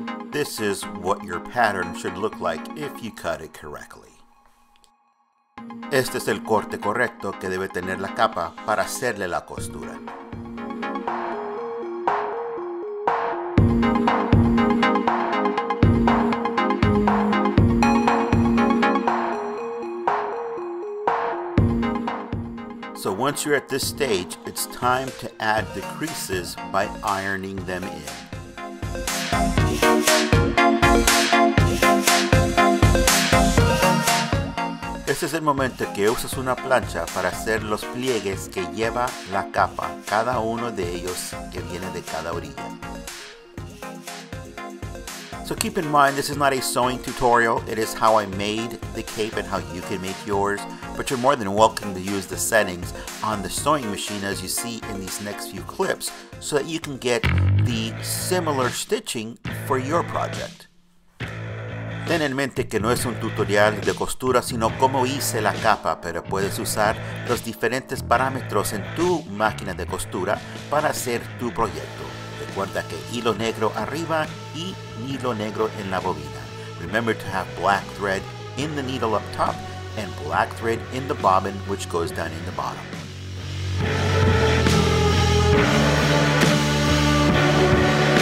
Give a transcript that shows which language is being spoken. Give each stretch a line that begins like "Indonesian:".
English: This is what your pattern should look like if you cut it correctly.
Spanish: Este es el corte correcto que debe tener la capa para hacerle la costura.
English: So once you're at this stage, it's time to add the creases by ironing them in.
Spanish: Este es el momento que usas una plancha para hacer los pliegues que lleva la capa, cada uno de ellos que viene de cada orilla.
English: So keep in mind, this is not a sewing tutorial. It is how I made the cape and how you can make yours. But you're more than welcome to use the settings on the sewing machine as you see in these next few clips so that you can get the similar stitching for your project.
Spanish: Ten en mente que no es un tutorial de costura sino cómo hice la capa, pero puedes usar los diferentes parámetros en tu máquina de costura para hacer tu proyecto. Recuerda que hilo negro arriba y hilo negro en la bobina.
English: Remember to have black thread in the needle up top and black thread in the bobbin, which goes down in the bottom.